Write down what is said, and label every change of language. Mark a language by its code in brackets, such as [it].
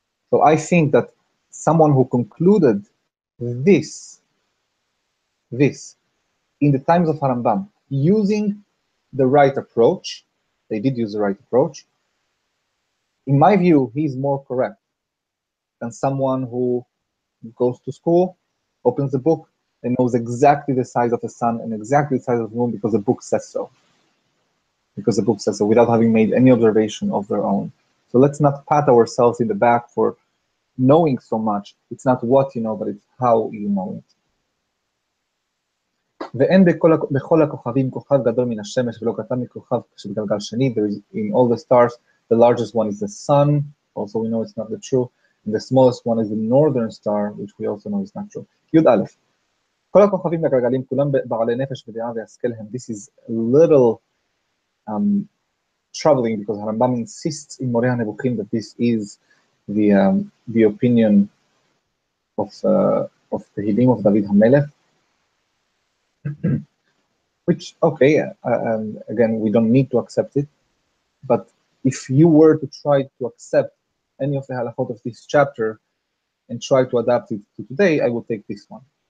[en] So I think that someone who concluded this in the times of Harambam, using the right approach, they did use the right approach, in my view, he's more correct than someone who goes to school, opens the book, and knows exactly the size of the sun and exactly the size of the moon because the book says so. Because the book says so, without having made any observation of their own. So let's not pat ourselves in the back for knowing so much. It's not what you know, but it's how you know it. [he] ואין בכל הכוכבים כוכב גדול מן השמש ולא קטן מכוכב שבגלגל שני. [en] There is in all the stars. The largest one is the sun, also we know it's not the true. And the smallest one is the northern star, which we also know is not true. [he] Yud Aleph. כל הכוכבים והגלגלים כולם בעלי נפש ודעה והשכל הם. [en] This is a little troubling because Harambam insists in Moreh HaNebuchim that this is the opinion of the Tehillim of David HaMelech. Which, okay, again, we don't need to accept it, but if you were to try to accept any of the halachot of this chapter and try to adapt it to today, I would take this one.